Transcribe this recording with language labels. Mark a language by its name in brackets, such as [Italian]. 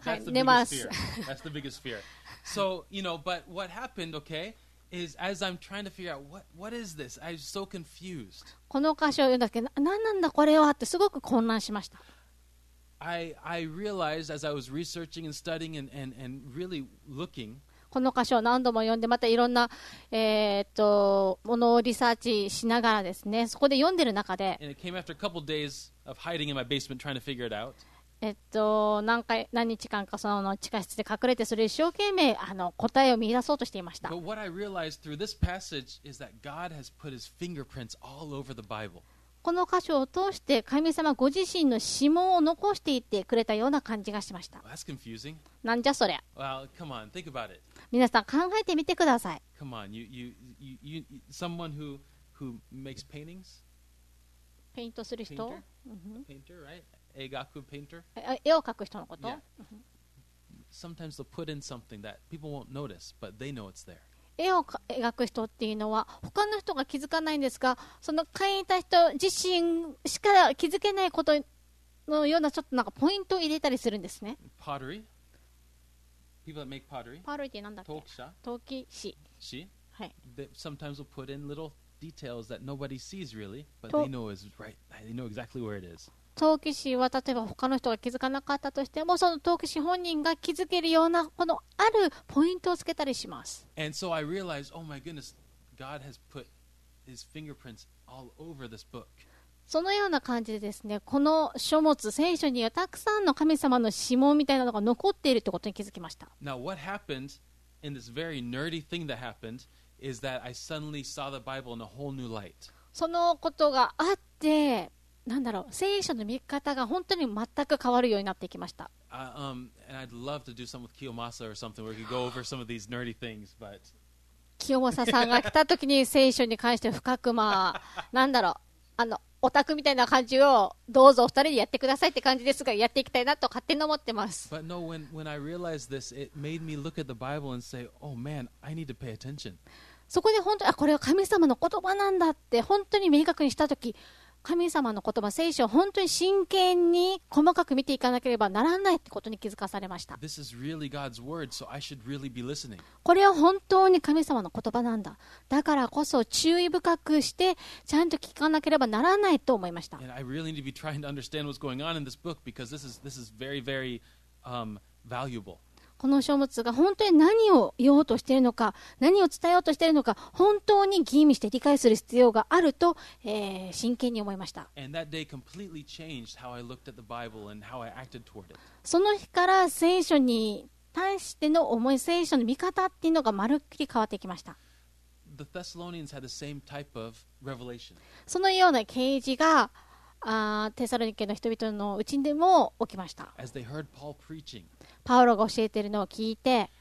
[Japanese] 寝ます [English] That's the biggest fear So, you know, but what happened, okay is as I'm trying to figure out what is this? I was so confused [Japanese] この箇所を言うんだっけ何なんだこれはってすごく混乱しました [English] I realized as I was researching and studying and really looking. [Japanese] この箇所を何度も読んでまたいろんな、ものをリサーチしながらですね、そこで読んでる中で。 [English] And it came after a couple days of hiding in my basement trying to figure it out. [Japanese] 何日間かその地下室で隠れてそれ一生懸命答えを見出そうとしていました。 [English] But what I realized through this passage is that God has put His fingerprints all over the Bible. [Japanese] この箇所を通して神様ご自身の指紋を残していってくれたような感じがしました。 [English] That's confusing. [Japanese] なんじゃそりゃ。 [English] Well, come on, think about it. [Japanese] 皆さん考えてみてください。 [English] Come on, you, someone who makes paintings? [Japanese] ペイントする人 [English] painter? Painter, right? [Japanese] 絵描く [English] painter? [Japanese] 絵を描く人のこと、 [English] yeah. Sometimes they'll put in something that people won't notice, but they know it's there. [Japanese] 絵を描く人っていうのは他の人が気づかないんですがその描いた人自身しか気づけないことのようなちょっとなんかポイントを入れたりするんですね [English] Pottery People that make pottery [Japanese] Pottery ってなんだっけ陶器師師はい [English] They sometimes will put in little details that nobody sees really But they know is right They know exactly where it is [Japanese] 陶器師は例えば他の人が気づかなかったとしてもその陶器師本人が気づけるようなこのあるポイントをつけたりします [English] And so I realized, oh my goodness, God has put his fingerprints all over this book. [Japanese] そのような感じでですね、この書物、聖書にはたくさんの神様の指紋みたいなのが残っているということに気づきました。 [English] Now what happened in this very nerdy thing that happened is that I suddenly saw the Bible in a whole new light. [Japanese] そのことがあって、なんだろう、聖書の見方が本当に全く変わるようになっていきました。 [English] And I'd love to do something with Kiyomasa or something where we could go over some of these nerdy things, but [Japanese] Kiyomasa さんが来た時に聖書に関して深くまあなんだろうオタクみたいな感じをどうぞお二人でやってくださいって感じですがやっていきたいなと勝手に思ってます。 [English] But no, when I realized this, it made me look at the Bible and say, oh man, I need to pay attention. [Japanese] そこで本当にあこれは神様の言葉なんだって本当に明確にした時神様の言葉、聖書を本当に真剣に細かく見ていかなければならないってことに気づかされました。 [English] This is really God's word, so I should really be listening. [Japanese] これは本当に神様の言葉なんだ。だからこそ注意深くしてちゃんと聞かなければならないと思いました。 [English] And I really need to be trying to understand what's going on in this book because this is very, very, valuable. [Japanese] この書物が本当に何を言おうとしているのか、何を伝えようとしているのか、本当に吟味して理解する必要があると、真剣に思いました。 [English] And that day completely changed how I looked at the Bible and how I acted toward it. [Japanese] その日から聖書に対しての思い、聖書の見方っていうのがまるっきり変わってきました。 [English] The Thessalonians had the same type of revelation. [Japanese] そのような啓示がテサロニケの人々のうちでも起きました。 [English] As they heard Paul preaching. [Japanese] パウロが教えているのを聞いて